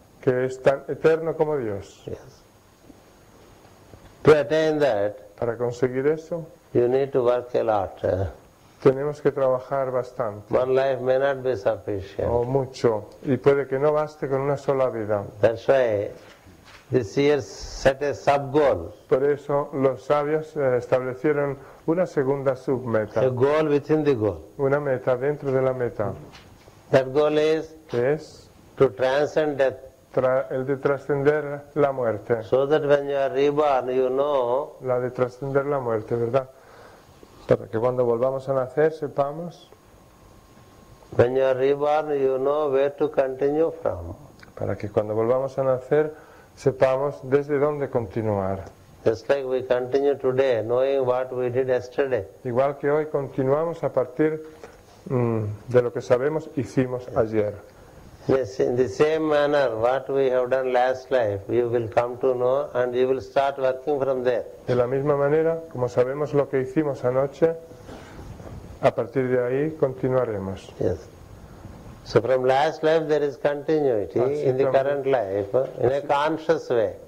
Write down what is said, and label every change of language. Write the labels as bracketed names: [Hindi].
[Spanish] que es tan eterno como Dios. [English] Yes. To attain that, [Spanish] para conseguir eso, [English] you need to work a lot. [Spanish] Tenemos que trabajar bastante. [English] One life may not be sufficient. [Spanish] O mucho, y puede que no baste con una sola vida. [English] That's why the seers set a sub-goal. [Spanish] Por eso los sabios establecieron una segunda submeta. [English] A goal within the goal. [Spanish] Una meta dentro de la meta. [English] That goal is [Spanish] es [English] to transcend death. [Spanish] El de trascender la muerte. [English] So that when you are reborn, you know. [Spanish] La de trascender la muerte, ¿verdad? Para que cuando volvamos a nacer sepamos. [English] When you are reborn, you know where to continue from. [Spanish] Para que cuando volvamos a nacer sepamos desde dónde continuar. [English] Just like we continue today, knowing what we did yesterday. [Spanish] Igual que hoy continuamos a partir de lo que sabemos hicimos ayer. [English] Yes, in the same manner, what we have done last life, you will come to know, and you will start working from there. [Spanish] De la misma manera, como sabemos lo que hicimos anoche, a partir de ahí continuaremos. [English] Yes. So from last life there is continuity in the current life, in a conscious way.